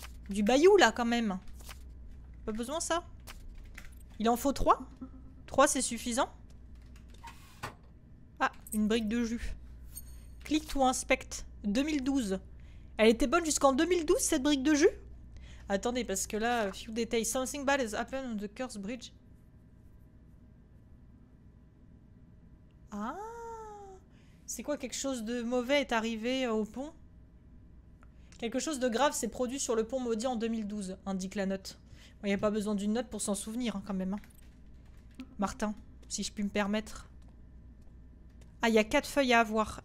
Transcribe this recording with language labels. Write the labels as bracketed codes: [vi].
[fr] du bayou là quand même. Pas besoin ça? Il en faut 3? 3 c'est suffisant? Ah, une brique de jus. [en] Click to inspect. [fr] 2012. Elle était bonne jusqu'en 2012 cette brique de jus? Attendez parce que là, [en] few details. Something bad has happened on the Curse Bridge. Ah! [fr] C'est quoi, quelque chose de mauvais est arrivé au pont? Quelque chose de grave s'est produit sur le pont maudit en 2012, indique la note. Il n'y a pas besoin d'une note pour s'en souvenir, hein, quand même. Hein. Martin, si je puis me permettre. Ah, il y a 4 feuilles à avoir.